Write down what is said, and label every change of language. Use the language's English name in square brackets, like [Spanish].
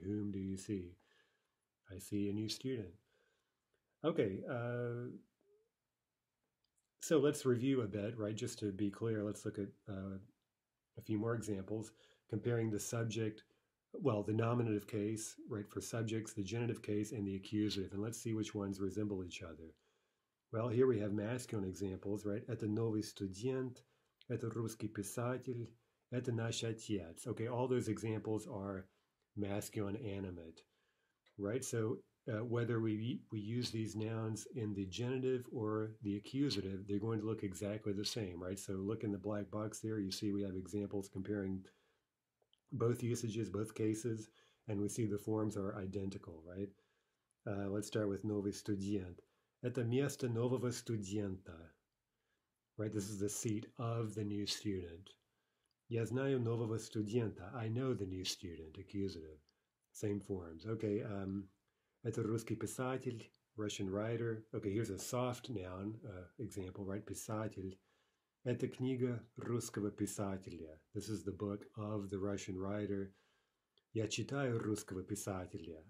[English] Whom do you see? I see a new student. Okay, so let's review a bit, right? Just to be clear, let's look at a few more examples. Comparing the subject, well, the nominative case, right, for subjects, the genitive case, and the accusative. And let's see which ones resemble each other. Well, here we have masculine examples, right? [Russian] Это новый студент, это русский писатель, это наш отец. [English] Okay, all those examples are masculine animate, right? So whether we use these nouns in the genitive or the accusative, they're going to look exactly the same, right? So look in the black box there. You see we have examples comparing both usages, both cases, and we see the forms are identical, right? Let's start with [Russian] новый студент. Это место нового студента, [English] right? This is the seat of the new student. [Russian] Я знаю нового студента. [English] I know the new student, accusative. Same forms. Okay, [Russian] это русский писатель, [English] Russian writer. Okay, here's a soft noun example, right? Писатель. [Russian] Это книга русского писателя. [English] This is the book of the Russian writer. [Russian] Я читаю русского писателя.